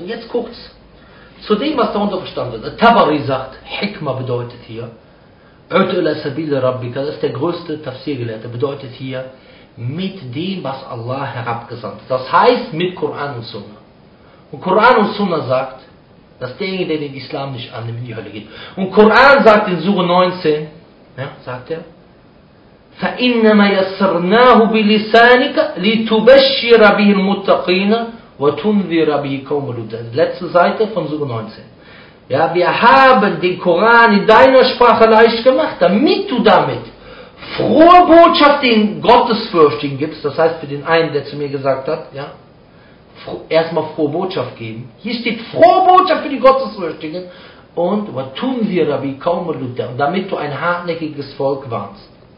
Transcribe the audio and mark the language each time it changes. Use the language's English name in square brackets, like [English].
[German] Und jetzt kurz zu dem, was darunter verstanden wird. Tabari sagt, Hikma bedeutet hier, das ist der größte Tafsir-Gelehrte, bedeutet hier, mit dem, was Allah herabgesandt hat. Das heißt, mit Koran und Sunna. Und Koran und Sunna sagt, dass derjenige, der den Islam nicht annimmt, in die Hölle geht. Und Koran sagt in Sure 19, ja, sagt er, [Arabic] فَإِنَّمَا يَسَّرْنَاهُ بِلِسَانِكَ لِتُبَشِّرَ بِهِ الْمُتَّقِينَ وَتُنْذِرَ بِهِ قَوْمَ الْمُجْرِمِينَ. [German] Letzte Seite von Sure 19. Ja, wir haben den Koran in deiner Sprache leicht gemacht, damit du damit frohe Botschaft den Gottesfürchtigen gibst. Das heißt, für den einen, der zu mir gesagt hat, ja, erstmal frohe Botschaft geben. Hier steht frohe Botschaft für die Gottesfürchtigen. Und was tun wir, Rabbi, kaum Luther, damit du ein hartnäckiges Volk warnst.